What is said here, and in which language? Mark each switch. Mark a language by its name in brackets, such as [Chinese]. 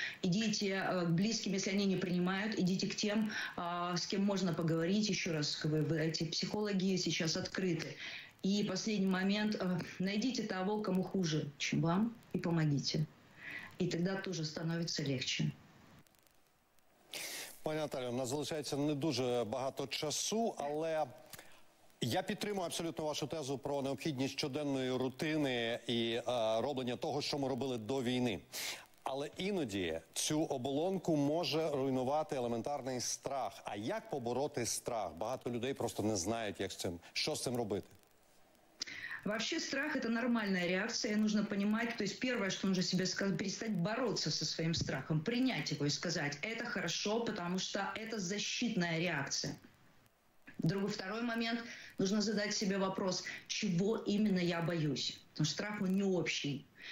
[Russian] Идите к близким, если они не принимают, идите к тем, с кем можно поговорить. Еще раз, эти психологи сейчас открыты. И последний момент. Найдите того, кому хуже, чем вам, и помогите. И тогда тоже становится легче. [Ukrainian] Пані Наталя, у нас залишається не дуже багато часу, але я підтримую абсолютно вашу тезу про необхідність щоденної рутини і роблення того, що ми робили до війни. Але іноді цю оболонку може руйнувати елементарний страх. А як побороти страх? Багато людей просто не знають, як з цим, що з цим робити. [Russian] Вообще страх – это нормальная реакция, нужно понимать, то есть первое, что нужно себе сказать, перестать бороться со своим страхом, принять его и сказать, это хорошо, потому что это защитная реакция. Другой, второй момент, нужно задать себе вопрос, чего именно я боюсь, потому что страх, он не общий.